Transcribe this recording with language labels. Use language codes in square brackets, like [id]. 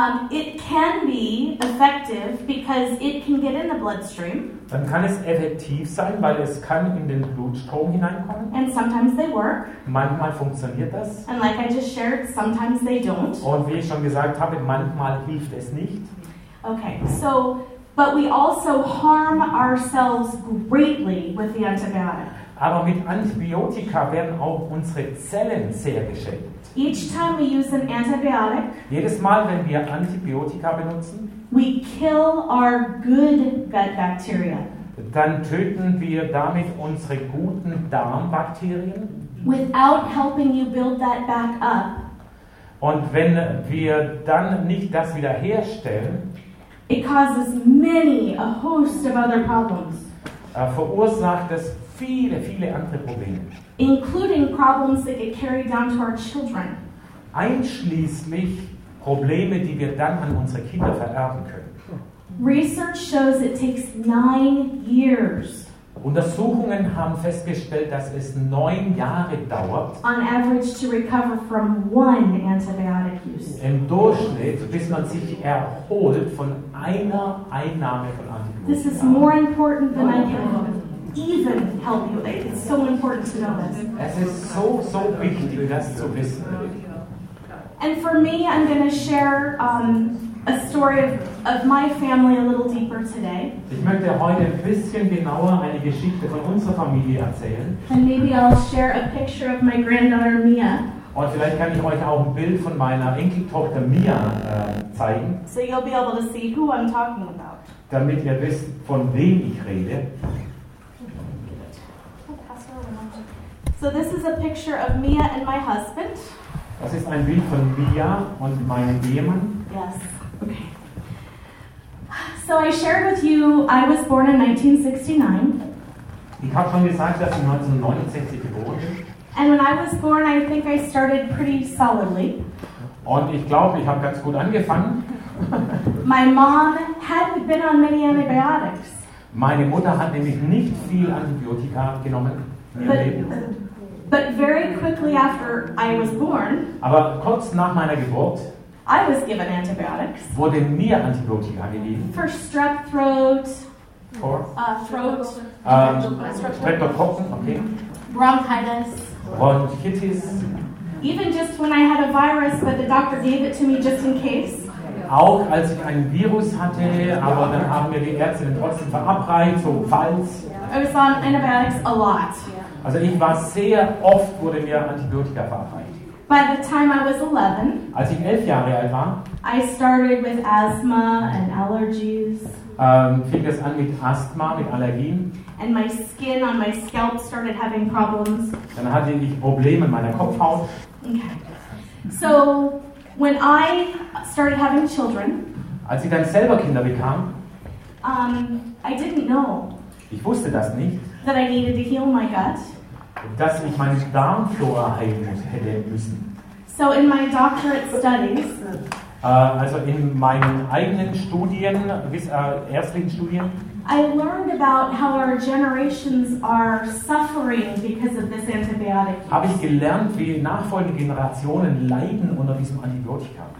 [en] It can be effective because it can get in the bloodstream. [de] Dann kann es effektiv sein, weil es kann in den Blutstrom hineinkommen. [en] And sometimes they work. [de] Manchmal funktioniert das. [en] And like I just shared, sometimes they don't. [de] Und wie ich schon gesagt habe, manchmal hilft es nicht. [en] Okay, so, but we also harm ourselves greatly with the antibiotic. [de] Aber mit Antibiotika werden auch unsere Zellen sehr geschädigt. [en] Each time we use an antibiotic, [de] jedes Mal, wenn wir Antibiotika benutzen, [en] we kill our good gut bacteria. [de] Dann töten wir damit unsere guten Darmbakterien. [en] Without helping you build that back up. [de] Und wenn wir dann nicht das wiederherstellen, [en] it causes many a host of other problems. [de] Verursacht es viele, viele andere Probleme. [en] Including problems that get carried down to our children. [de] Einschließlich Probleme, die wir dann an unsere Kinder vererben können. [en] Research shows it takes 9 years. [de] Untersuchungen haben festgestellt, dass es 9 Jahre dauert. [en] On average to recover from one antibiotic use. [de] Im Durchschnitt, bis man sich erholt von einer Einnahme von Antibiotika. [en] This is more important than I can even help you. It's so important to know this. [de] Es ist so, so wichtig, das zu wissen. [en] And for me, I'm going to share a story of my family a little deeper today. [de] Ich möchte heute ein bisschen genauer eine Geschichte von unserer Familie erzählen. [en] And maybe I'll share a picture of my granddaughter Mia. [de] Und vielleicht kann ich euch auch ein Bild von meiner Enkeltochter Mia zeigen. [en] So you'll be able to see who I'm talking about. [de] Damit ihr wisst, von wem ich rede. [en] So this is a picture of Mia and my husband. [de] Das ist ein Bild von Mia und meinem Ehemann. [en] Yes. Okay. So I shared with you, I was born in 1969. [de] Ich habe schon gesagt, dass ich 1969 geboren bin. [en] And when I was born, I think I started pretty solidly. [de] Und ich glaube, ich habe ganz gut angefangen. [en] My mom hadn't been on many antibiotics. [de] Meine Mutter hat nämlich nicht viel Antibiotika genommen. [en] But very quickly after I was born, [de] aber kurz nach meiner Geburt, [en] I was given antibiotics. [de] Wurde mir Antibiotika gegeben. [en] For strep throat. For? Throat. [de] Streptokokken, okay. [en] Bronchitis. [de] Bronchitis. [en] Even just when I had a virus, but the doctor gave it to me just in case. [de] Auch als ich ein Virus hatte, aber dann haben mir die Ärzte trotzdem verabreicht, so falls. [en] I was on antibiotics a lot. [de] Also ich war sehr oft, wurde mir Antibiotika verabreicht. [en] By the time I was 11, [de] als ich 11 Jahre alt war, [en] I started with asthma and allergies. [de] Fing es an mit Asthma, mit Allergien. [en] And my skin on my scalp started having problems. [de] Dann hatte ich Probleme in meiner Kopfhaut. [en] Okay. So when I started having children, [de] als ich dann selber Kinder bekam, [en] I didn't know. [de] Ich wusste das nicht. [en] That I needed to heal my gut. [de] Dass ich meine Darmflora heilen hätte müssen. [en] So in my doctorate studies. [de] Also in meinen eigenen Studien, ärztlichen Studien. [en] I learned about how our generations are suffering because of this antibiotic. [de] Habe ich gelernt, wie nachfolgende Generationen leiden unter diesem Antibiotika.